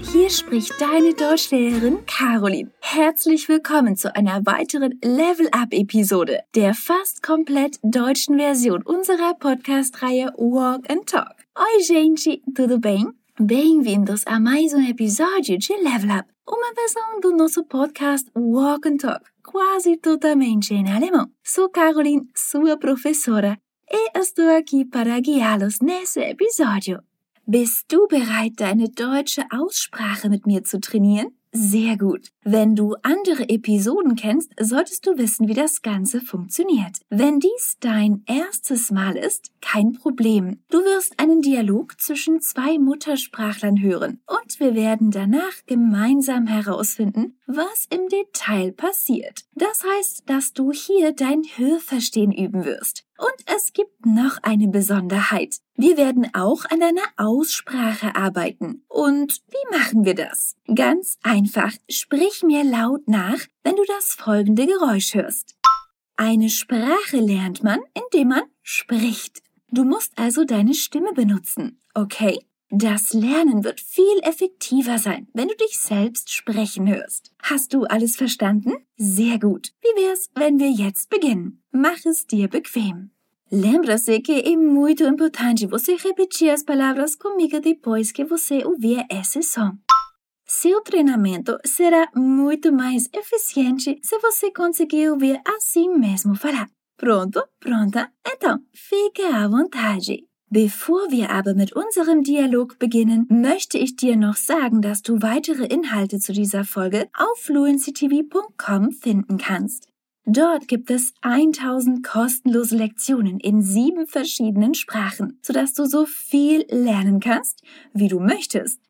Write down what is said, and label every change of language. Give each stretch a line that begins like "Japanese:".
German: Hier spricht deine Deutschlehrerin Caroline. Herzlich willkommen zu einer weiteren Level-Up-Episode der fast komplett deutschen Version unserer Podcast-Reihe Walk and Talk.
Portuguese: Oi gente, tudo bem? Bem-vindos a mais episódio de Level Up, uma versão do nosso podcast Walk and Talk, quase totalmente em alemão. Sou Caroline, sua professora, e estou aqui para guiá-los nesse episódio.
German: Bist du bereit, deine deutsche Aussprache mit mir zu trainieren? Sehr gut. Wenn du andere Episoden kennst, solltest du wissen, wie das Ganze funktioniert. Wenn dies dein erstes Mal ist, kein Problem. Du wirst einen Dialog zwischen zwei Muttersprachlern hören und wir werden danach gemeinsam herausfinden, was im Detail passiert. Das heißt, dass du hier dein Hörverstehen üben wirst. Und es gibt noch eine Besonderheit. Wir werden auch an deiner Aussprache arbeiten. Und wie machen wir das? Ganz einfach, sprich mir laut nach, wenn du das folgende Geräusch hörst. Eine Sprache lernt man, indem man spricht. Du musst also deine Stimme benutzen, okay? Das Lernen wird viel effektiver sein, wenn du dich selbst sprechen hörst. Hast du alles verstanden? Sehr gut. Wie wär's, wenn wir jetzt beginnen? Mach es dir bequem.
Portuguese: Lembra-se que é muito importante você repetir as palavras comigo depois que você ouvir esse som. Seu treinamento será muito mais eficiente se você conseguir ouvir assim mesmo falar. Pronto? Pronta? Então, fique à vontade.
German: Bevor wir aber mit unserem Dialog beginnen, möchte ich dir noch sagen, dass du weitere Inhalte zu dieser Folge auf fluencytv.com finden kannst. Dort gibt es 1000 kostenlose Lektionen in 7 verschiedenen Sprachen, sodass du so viel lernen kannst, wie du möchtest.